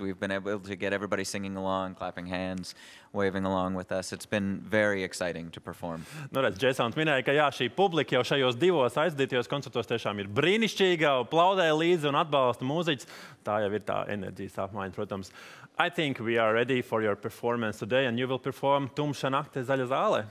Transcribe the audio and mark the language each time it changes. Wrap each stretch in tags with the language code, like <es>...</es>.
<en>We've been able to get everybody singing along, clapping hands, waving along with us. It's been very exciting to perform.</en> <lv>Nu redz, Jasons minēja, ka jā, šī publika jau šajos 2 aizvadītajos koncertos tiešām ir brīnišķīga, aplaudē līdzi un atbalsta mūziķus. Tā jau ir tā enerģijas apmaiņa, protams.</lv> <en>I think we are ready for your performance today and you will perform Tumša nakte zaļa zāle.</en>